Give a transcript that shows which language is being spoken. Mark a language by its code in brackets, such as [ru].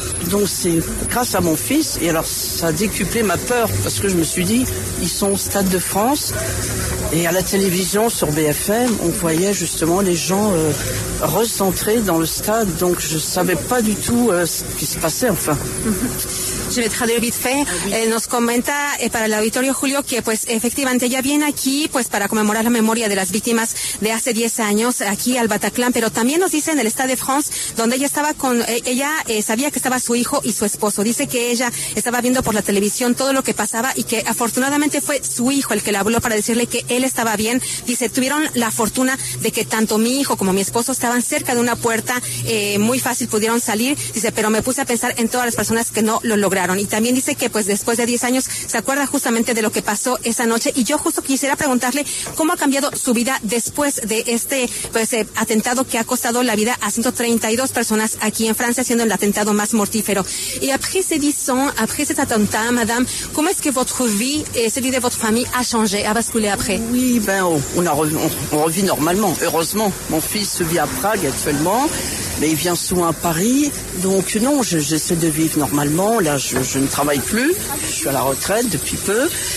[fr] Donc c'est grâce à mon fils. Et alors ça a décuplé ma peur parce que je me suis dit, ils sont au Stade de France. Et à la télévision sur BFM, on voyait justement les gens recentrés dans le stade. Donc je ne savais pas du tout ce qui se passait enfin. Je vais traduire vite fait. [es] Nos comenta para el auditorio, Julio, que pues efectivamente ella viene aquí pues para conmemorar la memoria de las víctimas de hace 10 años aquí al Bataclan, pero también nos dice en el Stade de France, donde ella estaba con sabía que estaba su hijo y su esposo. Dice que ella estaba viendo por la televisión todo lo que pasaba y que afortunadamente fue su hijo el que le habló para decirle que él estaba bien. Dice, tuvieron la fortuna de que tanto mi hijo como mi esposo estaban cerca de una puerta, muy fácil pudieron salir. Dice, pero me puse a pensar en todas las personas que no lo lograron. Y también dice que pues después de 10 años se acuerda justamente de lo que pasó esa noche. Y yo justo quisiera preguntarle cómo ha cambiado su vida después de este pues atentado que ha costado la vida a 132 personas aquí en Francia, siendo el atentado más mortífero. [fr] Y après ces 10 ans, après cet attentat, madame, [es] ¿cómo es que [fr] votre vie, celui de votre famille, a changé, a basculé après? Oui, ben on revit normalement, heureusement. Mon fils vit à Prague actuellement, mais il vient souvent à Paris. Donc non, j'essaie de vivre normalement. Là, je ne travaille plus, je suis à la retraite depuis peu.